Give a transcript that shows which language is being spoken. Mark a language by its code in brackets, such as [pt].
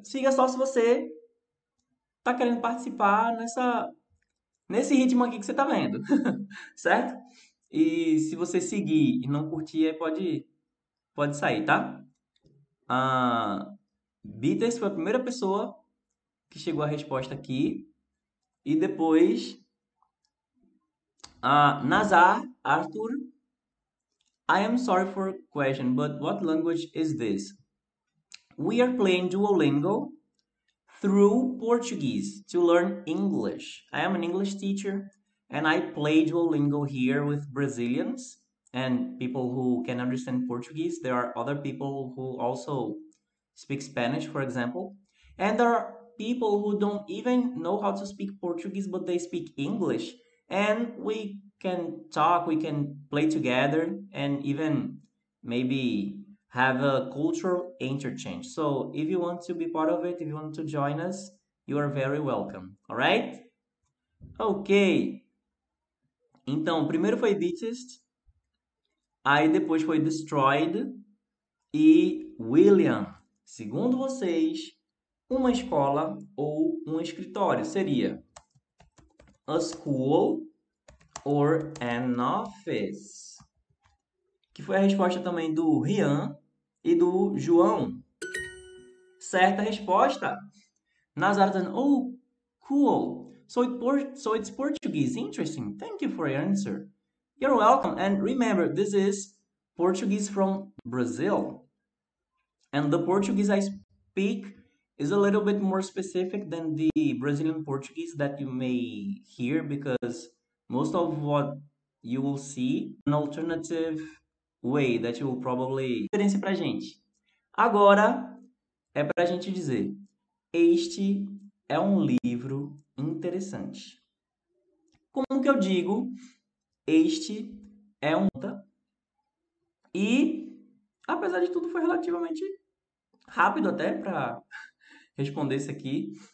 [pt] Siga só se você tá querendo participar nesse ritmo aqui que você tá vendo, certo? E se você seguir e não curtir, pode sair, tá? Bitters foi a primeira pessoa que chegou a resposta aqui. E depois, [en] Nazar, Arthur, I am sorry for question, but what language is this? We are playing Duolingo through Portuguese to learn English. I am an English teacher and I play Duolingo here with Brazilians and people who can understand Portuguese. There are other people who also speak Spanish, for example. And there are people who don't even know how to speak Portuguese, but they speak English. And we can talk, we can play together, and even maybe have a cultural interchange. So, if you want to be part of it, if you want to join us, you are very welcome. All right? Ok. [pt] Então, primeiro foi Beatest, aí depois foi Destroyed e William. Segundo vocês, uma escola ou um escritório seria [en] a school or an office, [pt] que foi a resposta também do Rian e do João. Certa resposta. Nazarden, [en] oh, cool. So it's Portuguese. Interesting. Thank you for your answer. You're welcome. And remember, this is Portuguese from Brazil. And the Portuguese I speak is a little bit more specific than the Brazilian Portuguese that you may hear, because most of what you will see an alternative way that you will probably experience [pt] pra gente. Agora é pra gente dizer: este é um livro interessante. Como que eu digo? Este é um. E, apesar de tudo, foi relativamente rápido até para responder isso aqui.